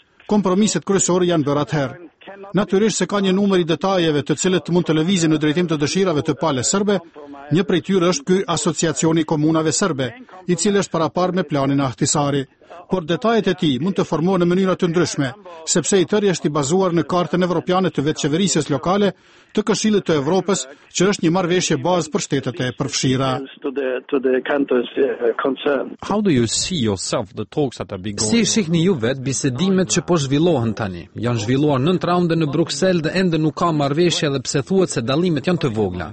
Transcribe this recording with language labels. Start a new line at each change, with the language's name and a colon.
Albanian: Kompromiset kryesore janë bërë atëherë. Natyrisht se ka një numër i detajeve të cilët mund të lëvizin në drejtim të dëshirave të palës serbe, një prej tyre është ky asociacioni komunave serbe, i cili është paraparë me planin Ahtisari. Por detajet e tij mund të formohen në mënyra të ndryshme, sepse i tërë është i bazuar në kartën evropiane të veçqeverisjes lokale të Këshillit të Evropës, që është një marrëveshje bazë për shtetet e përfshira.
English: How do you see yourself the talks that are being going?
Albanian: Si shihni ju vet bisedimet që po zhvillohen tani? Janë zhvilluar 9 raunde në Bruxelles dhe ende nuk ka marrëveshje, edhe pse thuhet se dallimet janë të vogla.